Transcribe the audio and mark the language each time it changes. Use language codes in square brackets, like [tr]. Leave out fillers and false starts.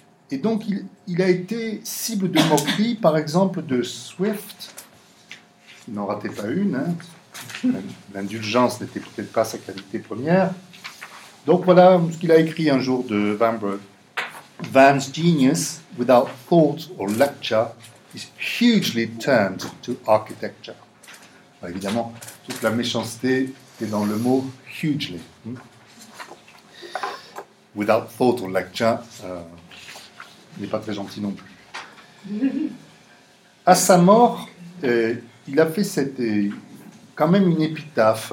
[fr] Et donc, il a été cible de moquerie, par exemple, de Swift. Il n'en ratait pas une. Hein. L'indulgence n'était peut-être pas sa qualité première. Donc, voilà ce qu'il a écrit un jour de Vanbrugh. [en] Van's genius, without thought or lecture, is hugely turned to architecture. [fr] Alors, évidemment, toute la méchanceté est dans le mot hugely. [en] Without thought or lecture, [fr] n'est pas très gentil non plus. À sa mort, il a fait cette, quand même une épitaphe.